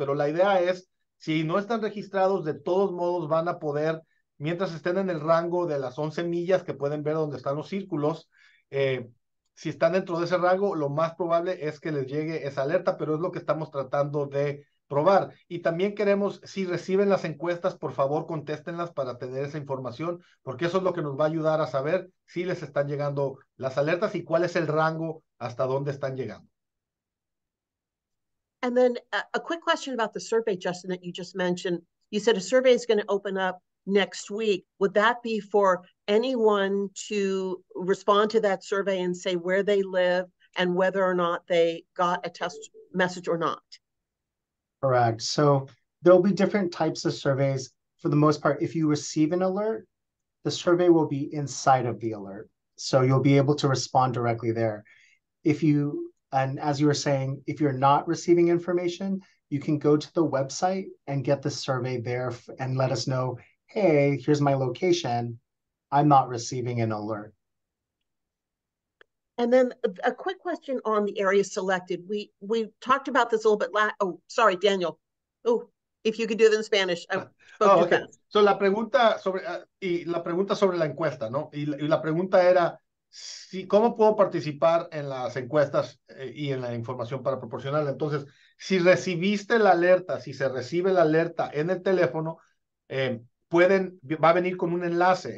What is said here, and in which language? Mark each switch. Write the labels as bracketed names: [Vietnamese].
[Spanish] Pero la idea es, si no están registrados, de todos modos van a poder, mientras estén en el rango de las 11 millas que pueden ver donde están los círculos, si están dentro de ese rango, lo más probable es que les llegue esa alerta, pero es lo que estamos tratando de probar. Y también queremos, si reciben las encuestas, por favor contéstenlas para tener esa información, porque eso es lo que nos va a ayudar a saber si les están llegando las alertas y cuál es el rango hasta dónde están llegando. [English] And then a quick question about the survey, Justin, that you just mentioned. You said a survey is going to open up next week. Would that be for anyone to respond to that survey and say where they live and whether or not they got a test message or not? Correct. So there'll be different types of surveys. For the most part, if you receive an alert, the survey will be inside of the alert. So you'll be able to respond directly there. And as you were saying, if you're not receiving information, you can go to the website and get the survey there and let us know, hey, here's my location. I'm not receiving an alert. And then a quick question on the area selected. We talked about this a little bit last. Oh, sorry, Daniel. Oh, if you could do it in Spanish. [Spanish] Okay. So la pregunta sobre la encuesta, ¿no? Y la pregunta era, sí, ¿cómo puedo participar en las encuestas y en la información para proporcionarla? Entonces, si recibiste la alerta, si se recibe la alerta en el teléfono, va a venir con un enlace.